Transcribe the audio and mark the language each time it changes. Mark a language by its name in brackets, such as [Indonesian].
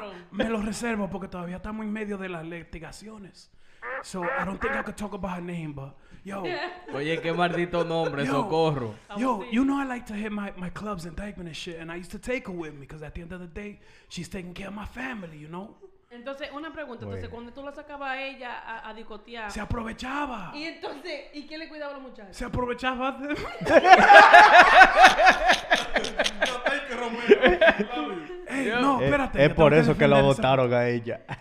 [Spanish] Me lo reservo porque todavía estamos en medio de las investigaciones. [English] So, I don't think I could talk about her name, but, yo. [Spanish] Oye, qué maldito nombre, yo, socorro. [English] Yo, you know I like to hit my clubs and dyke and shit, and I used to take her with me, because at the end of the day, she's taking care of my family, you know? [Spanish] Entonces, una pregunta. Entonces, bueno. Cuando tú la sacabas a ella a discotear... ¡Se aprovechaba! ¿Y entonces? ¿Y quién le cuidaba a los muchachos? ¡Se aprovechaba! ¡No hay que romper! ¡No, espérate! Es por eso que lo botaron a ella.